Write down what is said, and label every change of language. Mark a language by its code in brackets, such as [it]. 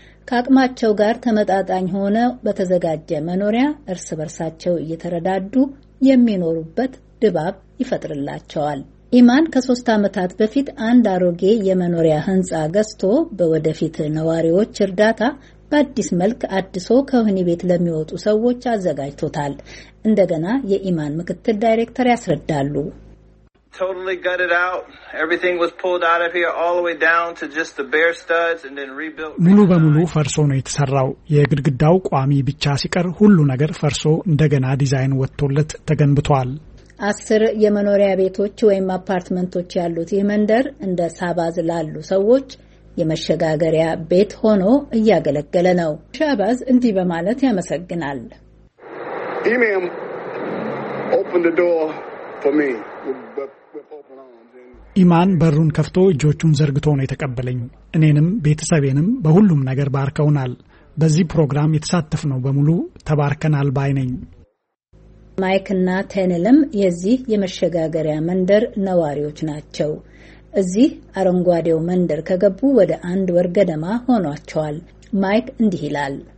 [am] ከአቅማቸው ጋር ተመጣጣኝ ሆነ በተዘጋጀ መኖሪያ እርስ በርሳቸው እየተረዳዱ የሚኖሩበት ድባብ ይፈጥርላቸዋል። ኢማን ከሶስት ዓመታት በፊት አንድ አሮጌ የመኖሪያ ህንፃ ገዝቶ በወደፊት ነዋሪዎች እርዳታ በአዲስ መልክ አድሶ ከወህኒ ቤት ለሚወጡ ሰዎች አዘጋጅቶታል። እንደገና የኢማን ምክትል ዳይሬክተር ያስረዳሉ። [en] Totally gutted out. Everything was pulled out of here all the way down to just the bare studs and then rebuilt. [am] ሙሉ በሙሉ ፈርሶ ነው የተሰራው። የግድግዳው ቋሚ ብቻ ሲቀር ሁሉ ነገር ፈርሶ እንደገና ዲዛይን ወጥቶለት ተገንብቷል። 10 የመኖሪያ ቤቶች ወይም አፓርትመንቶች ያሉት ይህ መንደር እንደ ሳባዝ ላሉ ሰዎች የመሸጋገሪያ ቤት ሆኖ እያገለገለ ነው። ሻባዝ እንዲህ በማለት ያመሰግናል። [en] ኢማን opened the door for me. [am] ኢማን በሩን ከፍቶ እጆቹን ዘርግቶ ነው የተቀበለኝ። እኔንም ቤተሰቤንም በሁሉም ነገር ባርከውናል። በዚህ ፕሮግራም የተሳተፍነው በሙሉ ተባርከናል ባይ ነኝ። ማይክና ቴንልም የዚህ የመሸጋገሪያ መንደር ነዋሪዎች ናቸው። እዚህ አረንጓዴው መንደር ከገቡ ወደ አንድ ወር ገደማ ሆኗቸዋል። ማይክ እንዲህ ይላል።